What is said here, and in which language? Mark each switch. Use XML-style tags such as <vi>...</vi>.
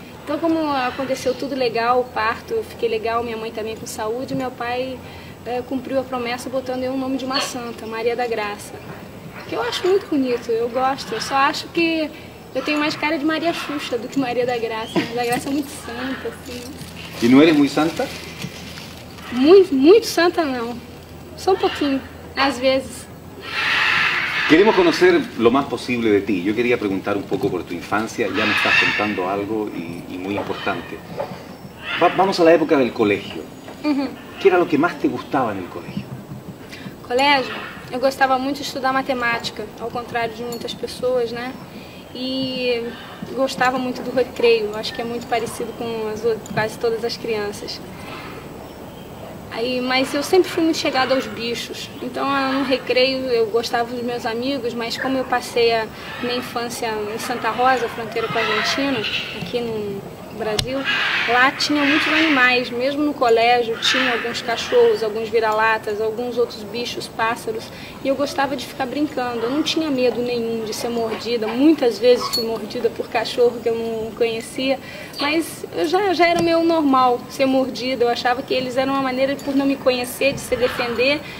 <pt>Então, como aconteceu tudo legal, o parto, eu fiquei legal, minha mãe também com saúde, meu pai cumpriu a promessa botando eu o nome de uma santa, Maria da Graça. Que eu acho muito bonito, eu gosto, eu só acho que eu tenho mais cara de Maria Xuxa do que Maria da Graça. Maria da Graça é muito santa, assim. E não eres muito santa? Muito, muito santa, não. Só um pouquinho, às vezes.</pt> <es>Queremos conocer lo más posible de ti. Yo quería preguntar un poco por tu infancia. Ya me estás contando algo y muy importante. Vamos a la época del colegio. ¿Qué era lo que más te gustaba en el colegio? Colegio. Yo gustaba mucho estudiar matemática, al contrario de muchas personas, ¿no? Y gustaba mucho del recreo. Acho que es muy parecido con casi todas las crianças.</es> <pt>Aí, mas eu sempre fui muito chegada aos bichos, então no recreio eu gostava dos meus amigos, mas como eu passei a minha infância em Santa Rosa, fronteira com a Argentina, aqui no Brasil, lá tinha muitos animais, mesmo no colégio tinha alguns cachorros, alguns vira-latas, alguns outros bichos, pássaros, e eu gostava de ficar brincando, eu não tinha medo nenhum de ser mordida, muitas vezes fui mordida por cachorro que eu não conhecia, mas já era meio normal ser mordida, eu achava que eles eram uma maneira, por não me conhecer, de se defender,</pt>